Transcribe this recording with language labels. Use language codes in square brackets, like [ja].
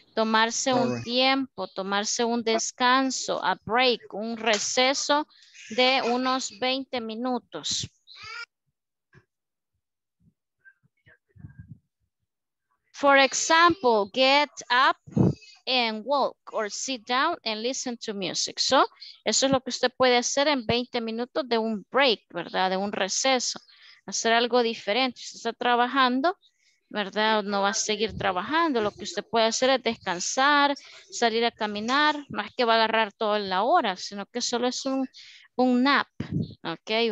[es] Tomarse un tiempo, tomarse un descanso, a break, un receso de unos 20 minutos. [en] For example, get up and walk or sit down and listen to music. [es] So, eso es lo que usted puede hacer en 20 minutos de un break, ¿verdad? De un receso. Hacer algo diferente. Si está trabajando, ¿verdad? No va a seguir trabajando. Lo que usted puede hacer es descansar, salir a caminar. No es que va a agarrar toda la hora, sino que solo es un nap. ¿Ok?